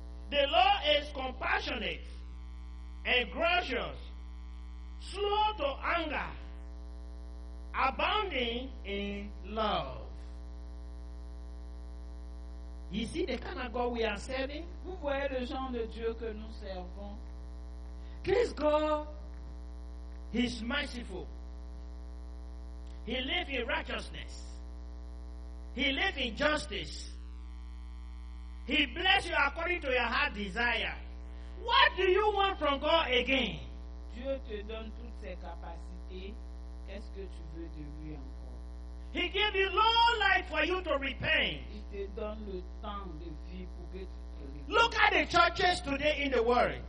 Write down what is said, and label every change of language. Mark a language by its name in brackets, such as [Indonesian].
[English] The Lord is compassionate and gracious, slow to anger, abounding in love. You see the kind of God we are serving? [French] Vous voyez le genre de Dieu que nous servons? [English] Please God. He's merciful. He lives in righteousness. He lives in justice. He blesses you according to your heart desire. What do you want from God again? [French] Dieu te donne toutes ses capacités. Qu'est-ce que tu veux de lui encore? [English] He gave you long life for you to repent. [French] Il te donne le temps de vie pour que tu. [English] Look at the churches today in the world.